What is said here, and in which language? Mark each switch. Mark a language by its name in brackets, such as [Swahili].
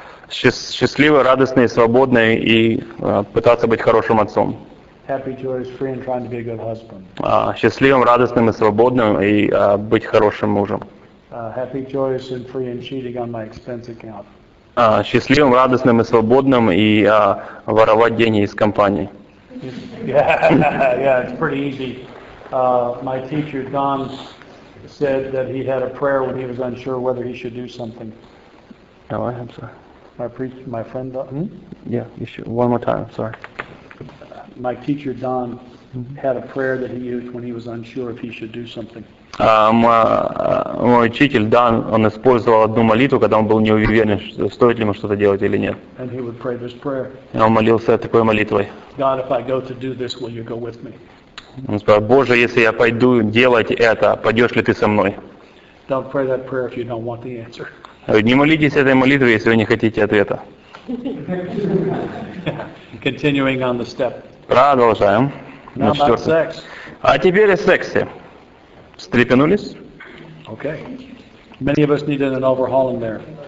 [Russian] Счастливый, радостный, свободный и пытаться быть хорошим отцом. [English] Happy, joyous, free, and trying to be a good husband. [Russian] Счастливым, радостным и свободным и быть хорошим мужем. [English] Happy, joyous, and free, and cheating on my expense account. [Russian] Счастливым, радостным и свободным и воровать деньги из компании. [English] Yeah, it's pretty easy. My teacher Don said that he had a prayer when he was unsure whether he should do something. No, I am sorry. My friend Don. Yeah, you should. One more time. Sorry. My teacher Don had a prayer that he used when he was unsure if he should do something. [Russian] Мой учитель Дан, он использовал одну молитву, когда он был не уверен, стоит ли ему что-то делать или нет. [English] And he would pray this prayer. [Russian] И он молился такой молитвой. [English] God, if I go to do this, will you go with me? [Russian] Он сказал: Боже, если я пойду делать это, пойдешь ли ты со мной? [English] Don't pray that prayer if you don't want the answer. [Russian] Не молитесь этой молитвой, если вы не хотите ответа. [English] Continuing on the step. [Russian] Продолжаем. [English] Now about sex. [Russian] А теперь о сексе. Встрепенулись? [English] Okay. Many of us needed an overhauling there.